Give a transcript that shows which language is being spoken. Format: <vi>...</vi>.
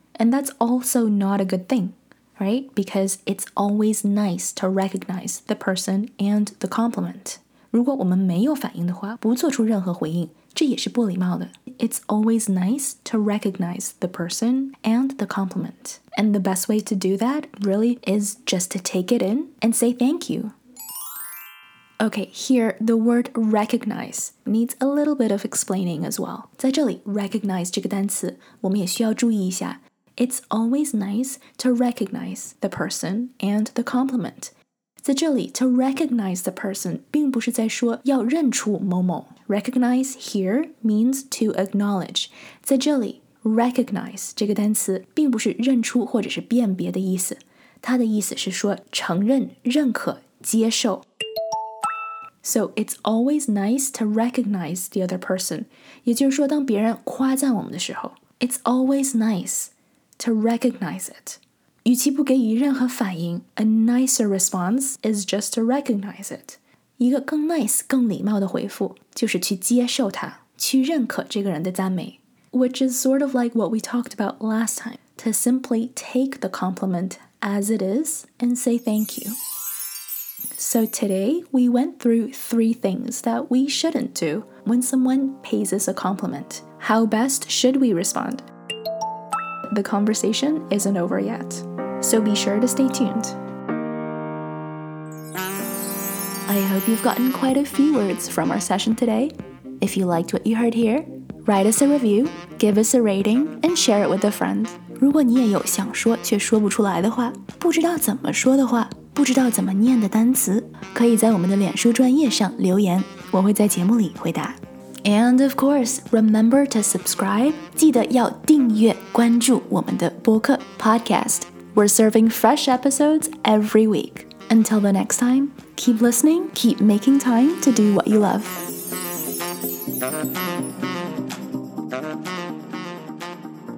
<en>And that's also not a good thing, right? Because it's always nice to recognize the person and the compliment.</en> <zh>如果我们没有反应的话,不做出任何回应,这也是不礼貌的。</zh> <en>It's always nice to recognize the person and the compliment. And the best way to do that, really, is just to take it in and say thank you. Okay, here, the word recognize needs a little bit of explaining as well.</en> <zh>在这里 ,recognize 这个单词,我们也需要注意一下。</zh> <en>It's always nice to recognize the person and the compliment.</en> <zh>在这里</zh> <en>to recognize the person</en> <zh>并不是在说要认出某某。</zh> <en>Recognize here means to acknowledge.</en> <zh>在这里 recognize 这个单词并不是认出或者是辨别的意思。它的意思是说承认、认可、接受。</zh> <en>So it's always nice to recognize the other person.</en> <zh>也就是说当别人夸赞我们的时候</zh> <en>It's always nice. To recognize it.</en> <zh>与其不给予任何反应,</zh> <en>a nicer response is just to recognize it.</en> <zh>一个更 nice, 更礼貌的回复就是去接受它,去认可这个人的赞美。</zh> <en>Which is sort of like what we talked about last time, to simply take the compliment as it is and say thank you. So today, we went through three things that we shouldn't do when someone pays us a compliment. How best should we respond? The conversation isn't over yet, so be sure to stay tuned. I hope you've gotten quite a few words from our session today. If you liked what you heard here, write us a review, give us a rating, and share it with a friend.</en> <zh>如果你也有想说却说不出来的话，不知道怎么说的话，不知道怎么念的单词，可以在我们的脸书专页上留言，我会在节目里回答。</zh> <en>And of course, remember to subscribe.</en> <zh>记得要订阅关注我们的播客 podcast.</zh> <en>We're serving fresh episodes every week. Until the next time, keep listening, keep making time to do what you love.</en>